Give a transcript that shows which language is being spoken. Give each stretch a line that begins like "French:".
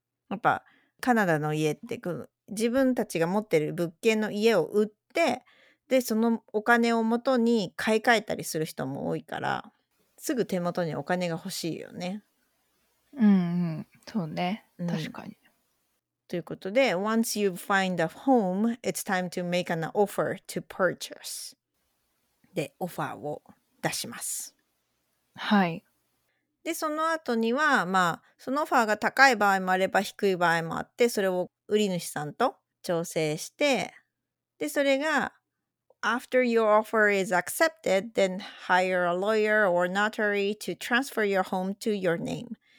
Japanese: やっぱカナダの家ってこの自分たちが持ってる物件の家を売って、でそのお金を元に買い替えたりする人も多いから、すぐ手元にお金が欲しいよね。うんうん、そうね、うん、確かに。ということで
English: Once you find a home, it's time to make an offer to purchase.
Japanese: でオファーを出します。はい。でその後にはまあそのオファーが高い場合もあれば低い場合もあって、それを売り主さんと調整して、でそれが
English: After your offer is accepted, then hire a lawyer or notary to transfer your home to your name.